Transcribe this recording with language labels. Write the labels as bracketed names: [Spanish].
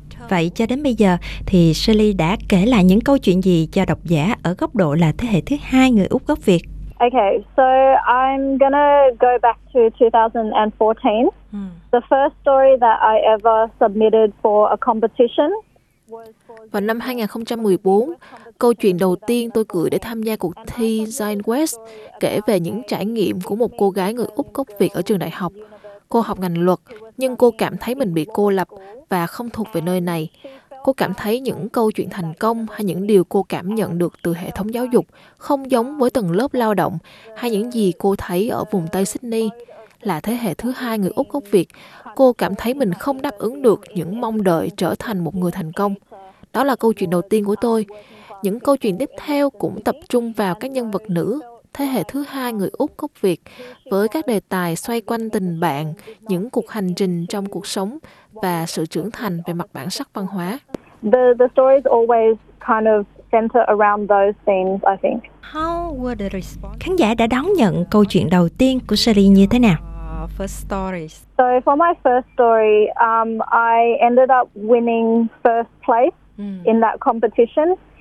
[Vietnamese] Vậy cho đến bây giờ thì Shirley đã kể lại những câu chuyện gì cho độc giả ở góc độ là thế hệ thứ hai người Úc gốc Việt? [English] Okay, so I'm gonna go back to 2014. The first story that I ever submitted for a competition [Vietnamese] vào năm 2014, câu chuyện đầu tiên tôi gửi để tham gia cuộc thi Sing West kể về những trải nghiệm của một cô gái người Úc gốc Việt ở trường đại học. Cô học ngành luật, nhưng cô cảm thấy mình bị cô lập và không thuộc về nơi này. Cô cảm thấy những câu chuyện thành công hay những điều cô cảm nhận được từ hệ thống giáo dục không giống với tầng lớp lao động hay những gì cô thấy ở vùng Tây Sydney. Là thế hệ thứ hai người Úc gốc Việt, cô cảm thấy mình không đáp ứng được những mong đợi trở thành một người thành công. Đó là câu chuyện đầu tiên của tôi. Những câu chuyện tiếp theo cũng tập trung vào các nhân vật nữ, thế hệ thứ hai người Úc gốc Việt, với các đề tài xoay quanh tình bạn, những cuộc hành trình trong cuộc sống và sự trưởng thành về mặt bản sắc văn hóa. [English] The stories always kind of center around those themes, I think. How were the response? [Vietnamese] Khán giả đã đón nhận câu chuyện đầu tiên của Shirley như thế nào? [English] First stories. So for my first story, I ended up winning first place in that competition.